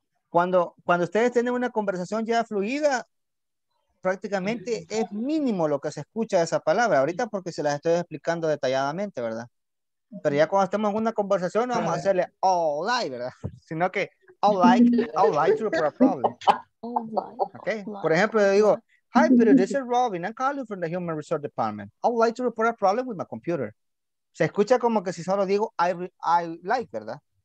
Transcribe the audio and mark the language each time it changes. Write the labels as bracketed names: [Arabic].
[Spanish] Cuando ustedes tienen una conversación ya fluida, prácticamente es mínimo lo que se escucha de esa palabra ahorita porque se las estoy explicando detalladamente, ¿verdad? Pero ya cuando estemos en una conversación no vamos a hacerle all like, ¿verdad? Sino que [English] I'll lie to a problem. Okay. For example, I go, hi Peter, this is Robin. I'm calling from the Human Resource Department. I would like to report a problem with my computer. [Spanish] Se escucha como que si solo digo [English] I like, [Spanish] ¿verdad?